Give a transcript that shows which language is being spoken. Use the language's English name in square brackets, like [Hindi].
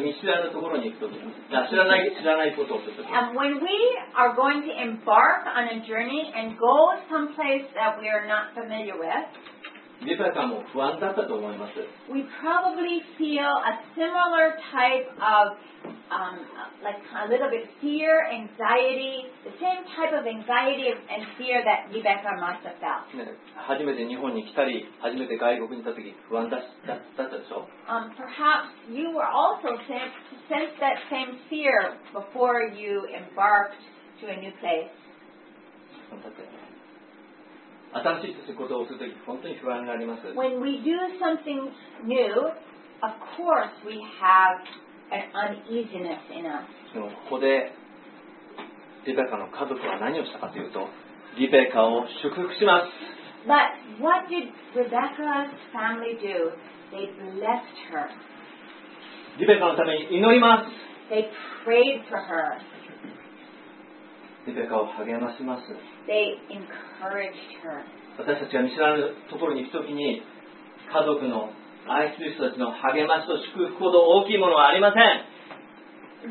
[Japanese] 見知らぬところに行くときに知らないことをするとき。 [English] And when we are going to embark on a journey and go someplace that we are not familiar with, [Japanese] リベカも不安だったと思います。 [English] We probably feel a similar type of, like a little bit fear, anxiety, the same type of anxiety and fear that Rebecca must have felt. [Japanese] 初めて日本に来たり、初めて外国に行ったとき不安だったでしょ。 [English] Perhaps you were also sensed that same fear before you embarked to a new place. [Japanese] 新しいことをするとき本当に不安があります。 [English] When we do something new, of course we have an uneasiness in us. [Japanese] ここでリベカの家族は何をしたかというと、リベカを祝福します。 [English] But what did Rebecca's family do? They blessed her. [Japanese] リベカのために祈ります。 [English] They prayed for her. [Japanese] リベカを励まします。 [English] They encouraged her. [Japanese] 私たちが見知らぬところに行くときに、家族の愛する人たちの励ましと祝福ほど大きいものはありません。